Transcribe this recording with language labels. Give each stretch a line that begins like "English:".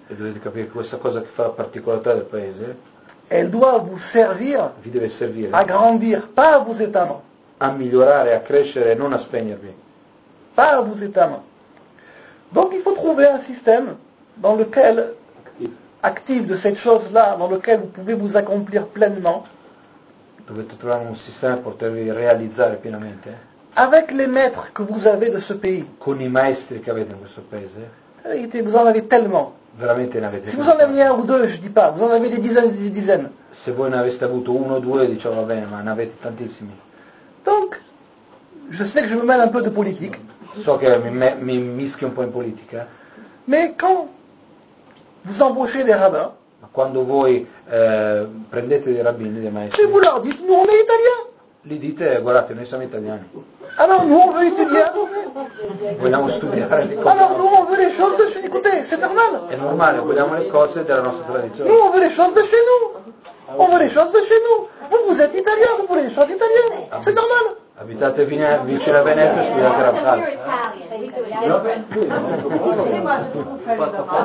French: Et vous devez comprendre que cette chose qui fait la particularité du pays... Elle doit vous servir,
Italian: vi deve servire,
French: à grandir, pas à vous éteindre.
Italian: A migliorare, a crescere, non a spegnervi.
French: Pas à vous éteindre. Donc il faut trouver un système dans lequel, actif de cette chose-là, dans lequel vous pouvez vous accomplir pleinement.
Italian: Dovete trovare un sistema per potervi realizzare pienamente.
French: Avec les maîtres que vous avez de ce pays.
Italian: Con i maestri che avete in questo paese.
French: Vous en avez tellement.
Italian: Veramente ne avete.
French: Si vous en avez un ou deux, je ne dis pas, vous en avez des dizaines et des dizaines.
Italian: Se voi ne aveste avuto uno o due, diciamo va bene, ma ne avete tantissimi.
French: Donc, je sais que je me mêle un peu de politique.
Italian: So che mi mischio un po' in politica.
French: Mais quand vous embauchez des rabbins,
Italian: ma quando voi prendete dei rabbini, dei maestri,
French: che vous leur dites, nous on est italiens.
Italian: Li dite, guardate, noi siamo italiani.
French: Alors nous on veut étudier.
Italian: Vogliamo studiare.
French: Alors nous on veut les choses de chez nous. Écoutez, c'est normal.
Italian: È normale, vogliamo le cose della nostra tradizione.
French: Nous on veut les choses de chez nous. On veut les choses de chez nous. Vous êtes italien, vous voulez les choses italiennes. C'est normal.
Italian: Abitate vicino a Venezia, studiate la parte.